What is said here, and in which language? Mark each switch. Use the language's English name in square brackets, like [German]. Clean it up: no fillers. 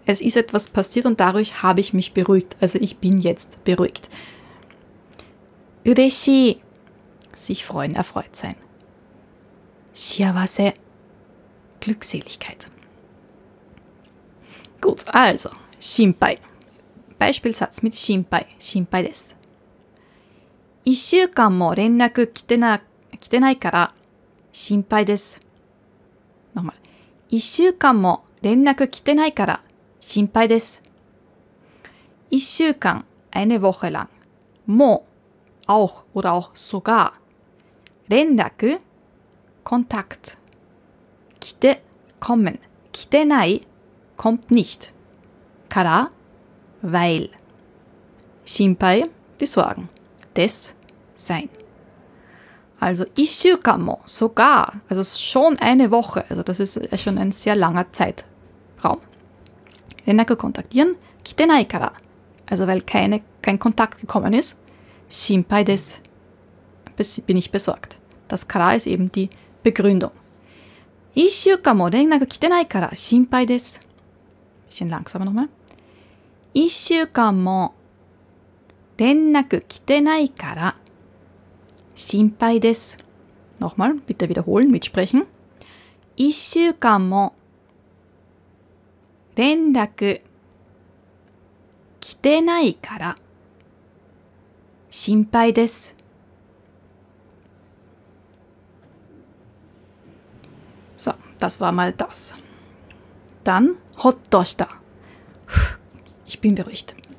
[German] Es ist etwas passiert und dadurch habe ich mich beruhigt. Also ich bin jetzt beruhigt. Ureshi. Sich freuen, erfreut sein. Shiawase. Glückseligkeit. Gut, also Shinpai. Beispielsatz mit Shinpai. [Japanese] Shinpai desu. 1週間も連絡来てないから心配です。 [German] Nochmal. [Japanese] 1週間も連絡来てないから心配です。 [German] 1週間, eine Woche lang. も auch oder auch sogar. 連絡 Kontakt. 来て kommen. 来てない kommt nicht. から weil. 心配 die Sorgen. Des sein. Also, 1週間 mo, sogar, also schon eine Woche, also das ist schon ein sehr langer Zeitraum. Renaku kontaktieren, [Japanese] kite nai kara. [German] Also, weil kein Kontakt gekommen ist, [Japanese] shinpai desu. [German] Bin ich besorgt. Das kara ist eben die Begründung. [Japanese] 1週間 mo renaku kite nai kara, shinpai desu. [German] Bisschen langsamer nochmal. [Japanese] 1週間 mo renaku kite nai kara. 心配です。 [German] Nochmal, bitte wiederholen, mitsprechen. [Japanese] 一週間も連絡来てないから心配です。 [German] So, das war mal das. Dann, [Japanese] ほっとした。 [German] Ich bin beruhigt.